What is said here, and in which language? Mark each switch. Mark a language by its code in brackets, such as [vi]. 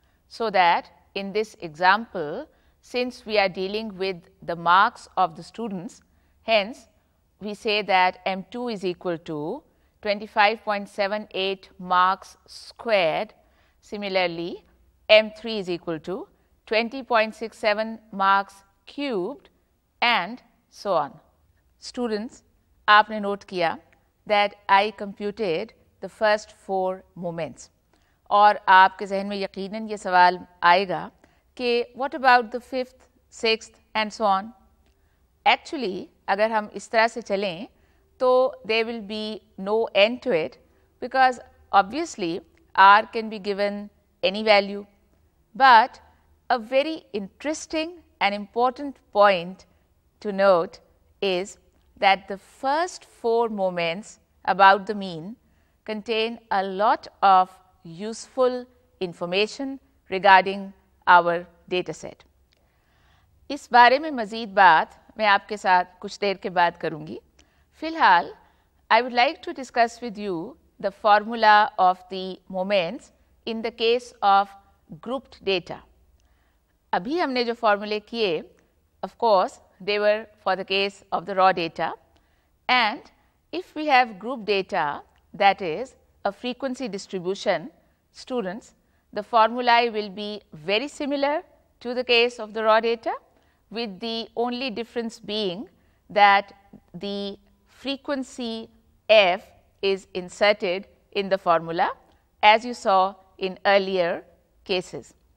[en] So that in this example, since we are dealing with the marks of the students, hence we say that m2 is equal to 25.78 marks squared. Similarly, m3 is equal to 20.67 marks cubed, and so on. Students, [ur] aapne note kiya [en] that I computed the first four moments. [ur] اور آپ کے ذہن میں یقیناً یہ سوال آئے گا کہ [en] What about the fifth, sixth and so on. Actually [ur] اگر ہم اس طرح سے چلیں [en] تو they will be no end to it, because obviously r can be given any value. But a very interesting and important point to note is that the first four moments about the mean contain a lot of useful information regarding our data set. [ur] اس بارے میں مزید بات میں آپ کے ساتھ کچھ دیر کے بعد کروں گی. فی الحال [en] I would like to discuss with you the formula of the moments in the case of grouped data. [ur] ابھی ہم نے جو فارمولے کیے, [en] Of course they were for the case of the raw data. And if we have group data, that is a frequency distribution, students, the formulae will be very similar to the case of the raw data, with the only difference being that the frequency f is inserted in the formula, as you saw in earlier cases.